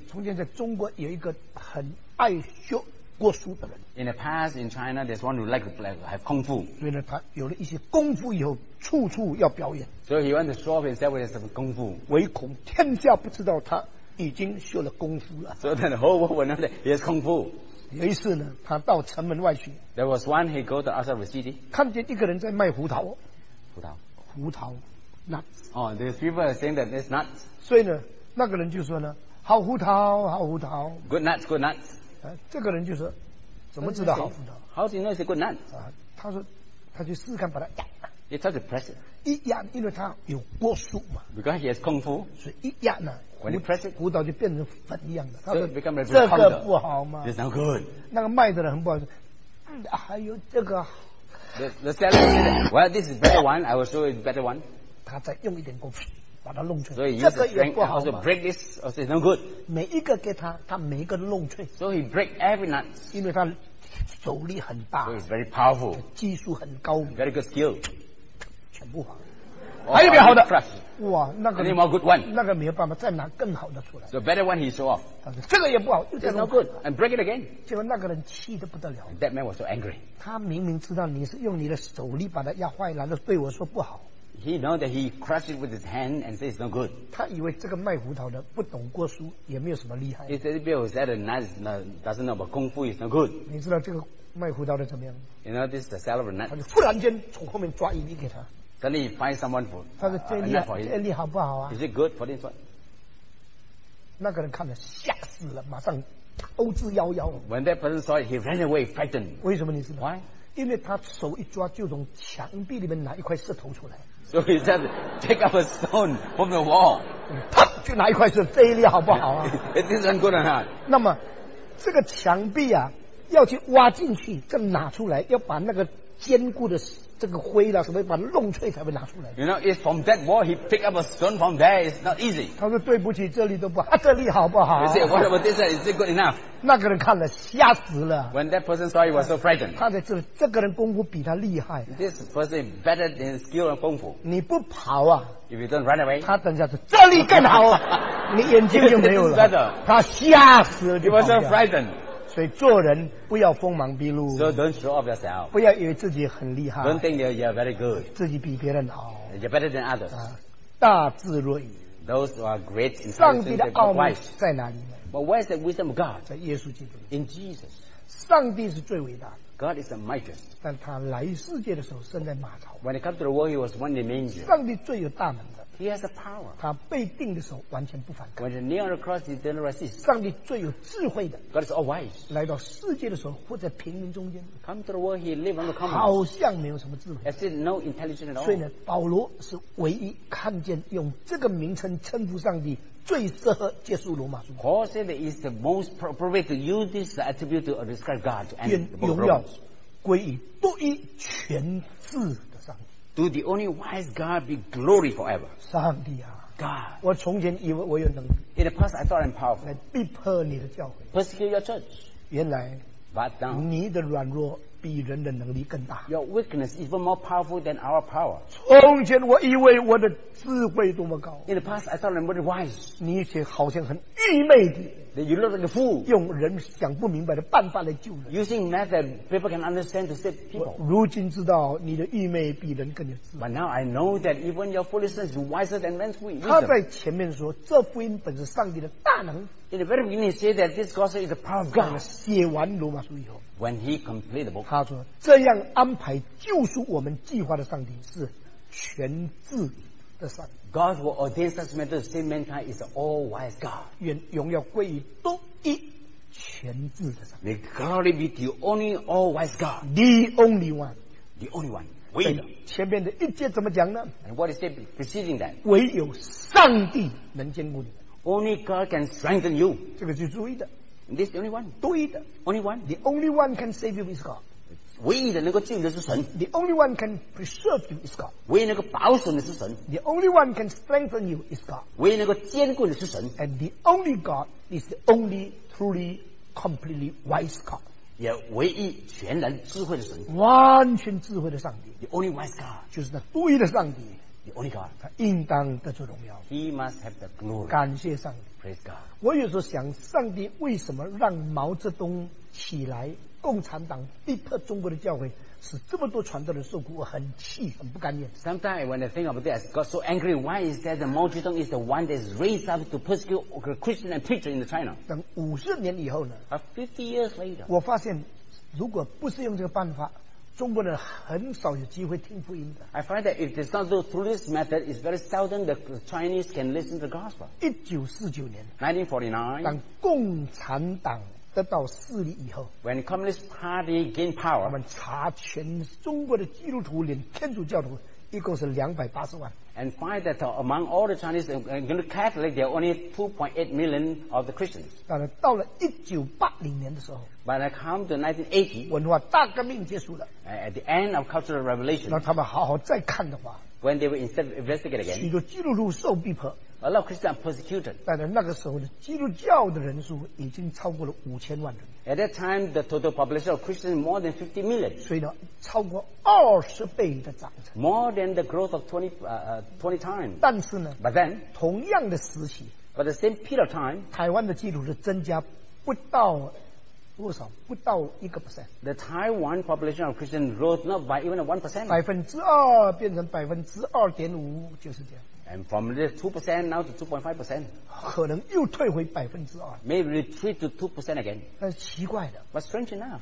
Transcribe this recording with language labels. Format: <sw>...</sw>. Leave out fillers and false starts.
<zh>从前在中国有一个很爱学过书的人。</zh> <en>In the past, in China, there's one who like have kung fu.</en> <zh>所以呢，他有了一些功夫以后，处处要表演。</zh> <en>So he wants to show off himself with some kung fu.</en> <zh>唯恐天下不知道他。已经学了功夫了。</zh> <en>So then the whole world will know that he has kung fu.</en> <zh>有一次呢，他到城门外去。</zh> <en>There was one he go to outside of the city.</en> <zh>看见一个人在卖胡桃。胡桃。胡桃 ，nuts.</zh> <en>Oh, these people are saying that it's nuts.</en> <zh>所以呢，那个人就说呢，好胡桃，好胡桃。</zh> <en>Good nuts, good nuts.</en> <zh>这个人就说，怎么知道好胡桃</zh> <en>？How do you know it's a good nut?</en> <zh>他说，他去试试看，把它压。</zh> <en>He tried to press it.</en> <zh>一压，因为他有过术嘛。</zh> <en>Because he has kung fu.</en> <zh>所以一压呢。</zh> <en>When you press it,</en> <zh>胡桃就变成粉一样的。</zh> <en>So、it become</en> <zh>a 这个不好吗</zh> <en>？It's not good.</en> <zh>那个卖的人很不好说。还有这个。</zh> <en>The seller said, "Well, this is better one. I will show you better one."</en> <zh>他再用一点功夫把它弄碎。</zh> <en>So、</en> <zh>这个也不好吗</zh> <en>？Break this, or it's no good.</en> <zh>每一个给他，他每一个都弄碎。</zh> <en>So he break every nut.</en> <zh>因为他手力很大。</zh> <en>So it's very powerful.</en> <zh>技术很高。</zh> <en>Very good skill.</en> <zh>全部好。还有没有好的？哇，那个</zh> <en>any more good one?</en> <zh>那个没有办法再拿更好的出来。</zh> <en>The better one he show off.</en> <zh>这个也不好，又再弄。</zh> <en>It's no good. And break it again.</en> <zh>结果那个人气得不得了。</zh> <en>And、that man was so angry.</en> <zh>他明明知道你是用你的手力把它压坏，然后对我说不好。</zh> <en>He knows that he crushed it with his hand and says it's no good. 他以为这个卖胡桃的不懂过书，也没有什么厉害。 He said, "Bill, is that a nice? No, doesn't know about kung fu. It's no good."</en> <zh>你知道这个卖胡桃的怎么样？</zh> <en>You know this is the seller of nuts.</en> <zh>他就突然间从后面抓一粒给他。</zh> <en>Suddenly he finds someone for.</en> <zh>他说这粒啊，这粒好不好啊？</zh> <en>Is it good for this one?</en> <zh>那个人看了吓死了，马上逃之夭夭。</zh> <en>When that person saw it, he ran away frightened.</en> <zh>为什么你知道？</zh> <en>Why?</en> <zh>因为他手一抓，就从墙壁里面拿一块石头出来。</zh> <en>So he said, take up a stone from the wall.</en> <zh>啪，就拿一块石头，这一粒好不好啊？</zh> <en>It isn't good enough.</en> <zh>那么，这个墙壁啊，要去挖进去，再拿出来，要把那个坚固的这个灰啦、啊、什么，把它弄碎才会拿出来。</zh> <en>You know, it's from that wall. He picked up a stone from there. It's not easy.</en> <zh>他说对不起，这粒都不好、啊，这粒好不好、啊、</zh> <en>？You say, what about this? Is it good enough?</en> <zh>那个人看了吓死了。</zh> <en>When that person saw, he was so frightened.</en> <zh>他在这个人功夫比他厉害。</zh> <en>This person is better than skill and 功夫。</en> <zh>你不跑啊</zh> <en>？If you don't run away,</en> <zh>他等下说这粒更好、啊，你眼睛就没有了。他吓死了。</zh> <en>He was so frightened.</en> <zh>所以做人不要锋芒毕露。</zh> <en>So don't show off yourself.</en> <zh>不要以为自己很厉害。</zh> <en>Don't think you're very good.</en> <zh>自己比别人好。</zh> <en>You're better than others.</en> <zh>大智睿。</zh> <en>Those who are great.</en> <zh>上帝的奥秘在哪里呢</zh> <en>？But where is the wisdom of God?</en> <zh>在耶稣基督。</zh> <en>In Jesus.</en> <zh>上帝是最伟大的。</zh> <en>God is the mightiest.</en> <zh>但他来世界的时候生在马槽。</zh> <en>When he came to the world, he was one in the manger.</en> <zh>上帝最有大能的。</zh> <en>He has the power.</en> <zh>他被钉的时候完全不反抗。</zh> <en>When he nailed the cross, he didn't resist.</en> <zh>上帝最有智慧的。</zh> <en>God is all wise.</en> <zh>来到世界的时候活在平民中间。</zh> <en>Come to the world, he lived on the common.</en> <zh>好像没有什么智慧。</zh> <en>As if no intelligence at all.</en> <zh>所以呢，保罗是唯一看见用这个名称称呼上帝最适合结束罗马书。</zh> <en>Paul said it is the most appropriate to use this attribute to describe God.</en> <zh>愿荣耀归于独一全智的上帝。</zh> <en>To the only wise God be glory forever.</en> <zh>上帝啊</zh> <en>，God，</en> <zh>我从前以为我有能力。</zh> <en>In the past, I thought I'm powerful.</en> <zh>来逼迫你的教会。</zh> <en>Persecute your church.</en> <zh>原来</zh> <en>，But now</en> <zh>你的软弱比人的能力更大。</zh> <en>Your weakness is even more powerful than our power.</en> <zh>从前我以为我的智慧多么高。</zh> <en>In the past, I thought I'm very wise.</en> <zh>你却好像很愚昧的。</zh> <en>That you look like a fool.</en> <zh>用人想不明白的办法来救人。</zh> <en>Using method people can understand to save people.</en> <zh>如今知道你的愚昧比人更有智慧。</zh> <en>But now I know that even your foolishness is wiser than man's wisdom.</en> <zh>他在前面说，这福音本是上帝的大能。</zh> <en>In the very beginning, he said that this gospel is the power of God.</en> <zh>写完罗马书以后。</zh> <en>When he completed the book.</en> <zh>他说，这样安排救赎我们计划的上帝是全智的上帝。</zh> <en>God will ordain such matters to save mankind is an all-wise God.</en> <zh>愿荣耀归于独一全智的上帝。</zh> <en>May glory be to the only all-wise God. The only one. The only one.</en> <zh>唯一。前面的一节怎么讲呢？</zh> <en>And what is it preceding that?</en> <zh>唯有上帝能坚固你。</zh> <en>Only God can strengthen you.</en> <zh>这个是主义的。</zh> <en>And this is the only one.</en> <zh>独一的。</zh> <en>Only one. The only one can save you is God.</en> <zh>唯一的能够救的是神。</zh> <en>The only one can preserve you is God.</en> <zh>唯一能够保守的是神。</zh> <en>The only one can strengthen you is God.</en> <zh>唯一能够坚固的是神。</zh> <en>And the only God is the only truly, completely wise God.</en> <zh>也唯一全然智慧的神。完全智慧的上帝。</zh> <en>The only wise God.</en> <zh>就是那独一的上帝。</zh> <en>The only God.</en> <zh>他应当得着荣耀。</zh> <en>He must have the glory.</en> <zh>感谢上帝。</zh> <en>Praise God.</en> <zh>我有时候想，上帝为什么让毛泽东起来？共产党逼迫中国的教会，使这么多传道人受苦，我很气，很不甘愿。</zh> <en>Sometimes when I think of this, I got so angry. Why is that the Mao Zedong is the one that is raised up to persecute Christian and preacher in China?</en> <zh>等五十年以后呢</zh> <en>？50 years later,</en> <zh>我发现，如果不是用这个办法，中国人很少有机会听福音的。</zh> <en>I find that if it's not through this method, it's very seldom the Chinese can listen to the gospel.</en> <zh>1949年</zh> <en>，1949,</en> <zh>当共产党。得到势力以后</zh> <en>，When Communist Party gain power，</en> <zh>他们查全中国的基督徒，连天主教徒，一共是280万。</zh> <en>And find that among all the Chinese and Catholic, there are only 2.8 million of the Christians.</en> <zh>但是到了1980年的时候</zh> <en>，When I come to 1980，</en> <zh>文化大革命结束了。</zh> <en>At the end of Cultural Revolution，</en> <zh>那他们好好再看的话</zh> <en>，When they were investigated again，</en> <zh>许多基督徒受逼迫。</zh> <en>A lot of Christians are persecuted.</en> <zh>但是那个时候的基督教的人数已经超过了5000万人。</zh> <en>At that time, the total population of Christians is more than 50 million.</en> <zh>所以呢，超过20倍的长成。</zh> <en>More than the growth of 20 times.</en> <zh>但是呢</zh> <en>，But then,</en> <zh>同样的时期</zh> <en>，But the same period of time,</en> <zh>台湾的基督徒增加不到。多少？不到1%。</zh> <en>The Taiwan population of Christians rose not by even 1%.</en> <zh>2%变成2.5%，就是这样。</zh> <en>And from this 2% now to 2.5%.</en> <zh>可能又退回2%。</zh> <en>May retreat to 2% again.</en> <zh>但是奇怪的。</zh> <en>But strange enough.</en>